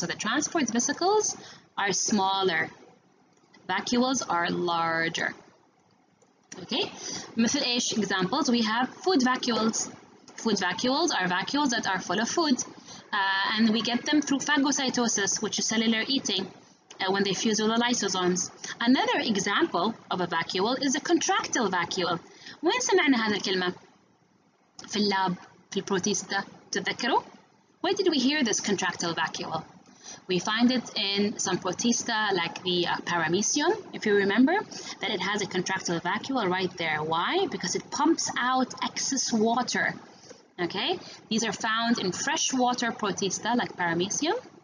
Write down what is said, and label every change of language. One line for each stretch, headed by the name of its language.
English: So the transport vesicles are smaller. Vacuoles are larger. Okay,
Arabic: مثل ايش
English: examples? We have food vacuoles. Food vacuoles are vacuoles that are full of food. And we get them through phagocytosis, which is cellular eating, when they fuse with the lysosomes. Another example of a vacuole is a contractile vacuole.
Arabic: وين سمعنا هذه الكلمة؟ في اللاب، في البروتيستا، تتذكروا؟
English: Where did we hear this contractile vacuole? We find it in some protista, like the paramecium, if you remember, that it has a contractile vacuole right there. Why? Because it pumps out excess water. Okay, these are found in freshwater protista, like paramecium.